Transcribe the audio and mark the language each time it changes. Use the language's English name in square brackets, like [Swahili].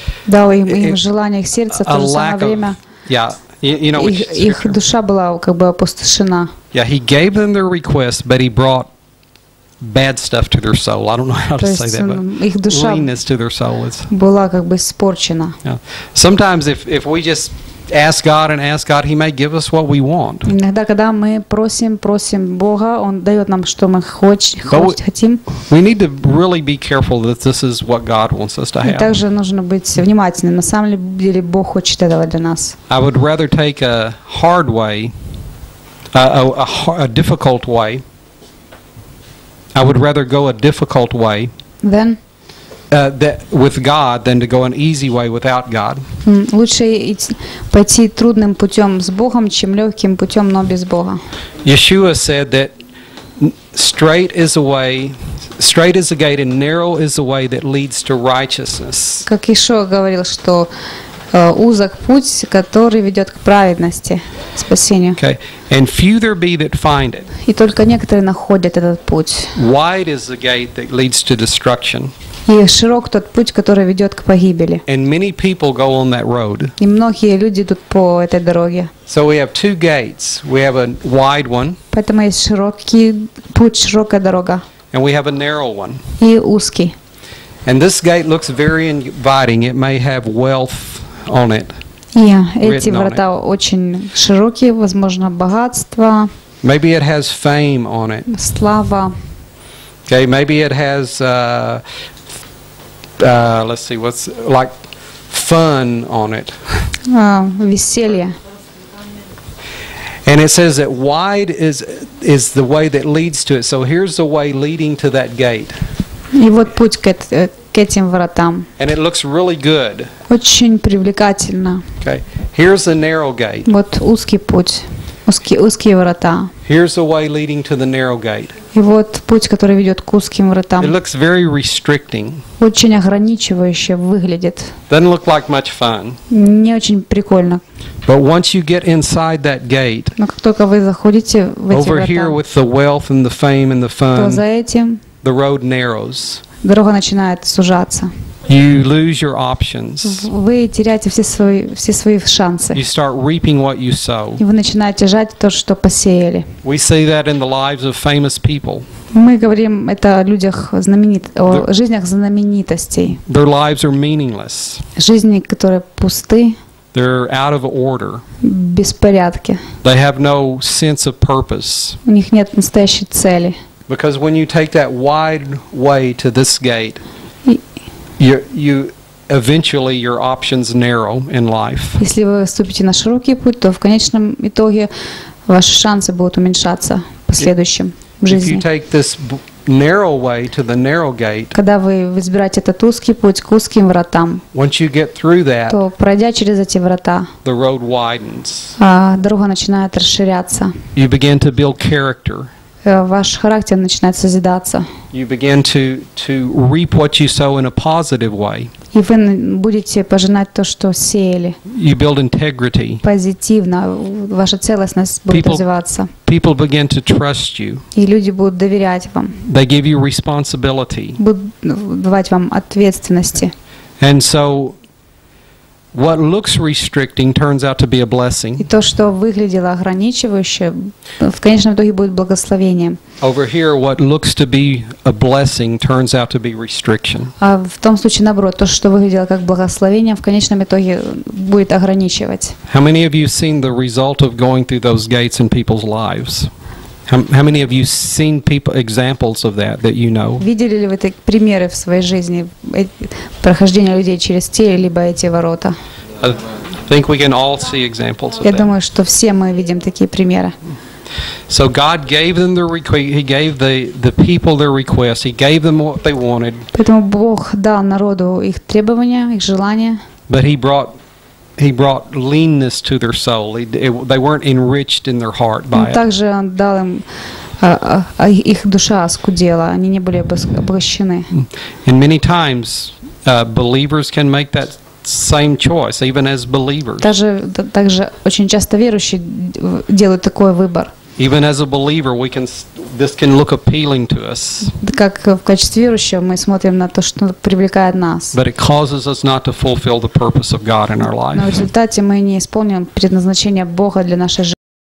[Russian] Дал им желание их сердца в то же самое время. [English] Yeah, you know, [Russian] их душа была как бы опустошена. [English] Yeah, he gave them their request, but he brought bad stuff to their soul. I don't know how to say that, but leanness to their soul is. [Russian] Была как бы испорчена. [English] Yeah. Sometimes if we just ask God and ask God, he may give us what we want. [Russian] Иногда когда мы просим Бога, он дает нам что мы хотим. [English] We need to really be careful that this is what God wants us to have. [Russian] Также нужно быть внимательным, на самом деле Бог хочет этого для нас. [English] I would rather take a hard way, a difficult way. I would rather go a difficult way with God than to go an easy way without God. [Russian] Лучше пойти трудным путем с Богом, чем легким путем, но без Бога. [English] Yeshua said that straight is the way, straight is the gate, and narrow is the way that leads to righteousness. [Russian] Как Иешуа говорил, что узок путь, который ведет к праведности, спасению. [English] Okay. And few there be that find it. [Russian] И только некоторые находят этот путь. [English] Wide is the gate that leads to destruction. [Russian] И широк тот путь, который ведет к погибели. [English] And many people go on that road. [Russian] И многие люди идут по этой дороге. [English] So we have two gates. We have a wide one. [Russian] Поэтому есть широкий путь, широкая дорога. [English] And we have a narrow one. [Russian] И узкий. [English] And this gate looks very inviting. It may have wealth on it. Yeah, [Russian] эти врата очень широкие, возможно, богатство. [English] Maybe it has fame on it. [Russian] Слава. [English] Okay, maybe it has, let's see, what's like fun on it. [Russian] Веселье. [English] And it says that wide is the way that leads to it. So here's the way leading to that gate. [Russian] И вот путь к этим воротам. [English] And it looks really good. [Russian] Очень привлекательно. [English] Okay. Here's the narrow gate. [Russian] Вот узкий путь. Узкие ворота. [English] Here's the way leading to the narrow gate. [Russian] И вот путь, который ведет к узким воротам. [English] It looks very restricting. [Russian] Очень ограничивающе выглядит. [English] Doesn't look like much fun. [Russian] Не очень прикольно. [English] But once you get inside that gate, [Russian] но как только вы заходите в эти [English] over [Russian] ворота, [English] here with the wealth and the fame and the fun, [Russian] то за этим [English] the road narrows. [Russian] Дорога начинает сужаться. [English] You lose your options. [Russian] Вы теряете все свои шансы. [English] You start reaping what you sow. [Russian] И вы начинаете жать то, что посеяли. [English] We see that in the lives of famous people. [Russian] Мы говорим это о людях знаменитых, о жизнях знаменитостей. [English] Their lives are meaningless. [Russian] Жизни, которые пусты. [English] They're out of order. [Russian] Беспорядки. [English] They have no sense of purpose. [Russian] У них нет настоящей цели. [English] Because when you take that wide way to this gate, you eventually your options narrow in life. [Russian] Если вы вступите на широкий путь, то в конечном итоге ваши шансы будут уменьшаться в следующем в жизни. [English] If you take this narrow way to the narrow gate, [Russian] когда вы выбираете этот узкий путь к узким вратам, [English] once you get through that, [Russian] то пройдя через эти врата, [English] the road widens. [Russian] Дорога начинает расширяться. [English] You begin to build character. [Russian] Ваш характер начинает созидаться. [English] You begin to reap what you sow in a positive way. [Russian] И вы будете пожинать то, что сеяли. [English] You build integrity. [Russian] Позитивно ваша целостность будет развиваться. [English] People begin to trust you. [Russian] И люди будут доверять вам. [English] They give you responsibility. [Russian] Будут давать вам ответственности. [English] And so what looks restricting turns out to be a blessing. [Russian] И то, что выглядело ограничивающе, в конечном итоге будет благословением. [English] Over here, what looks to be a blessing turns out to be restriction. [Russian] А в том случае наоборот, то, что выглядело как благословение, в конечном итоге будет ограничивать. [English] How many of you seen the result of going through those gates in people's lives? How many of you seen people examples of that you know? [Russian] Видели ли вы такие примеры в своей жизни прохождения людей через те либо эти ворота? [English] I think we can all see examples of that. [Russian] Я думаю, что все мы видим такие примеры. [English] So God gave them the request. He gave the people their request. He gave them what they wanted. [Russian] Поэтому Бог дал народу их требования, их желания. [English] But He brought leanness to their soul. They weren't enriched in their heart by it. [Russian] Также он дал им их душа оскудела, они не были обогащены. [English] And many times believers can make that same choice, even as believers. [Russian] Также очень часто верующие делают такой выбор. [English] Even as a believer, this can look appealing to us. [Russian] Как в качестве верующего мы смотрим на то, что привлекает нас. [English] But it causes us not to fulfill the purpose of God in our life. [Russian] Но в результате мы не исполним предназначение Бога для нашей жизни.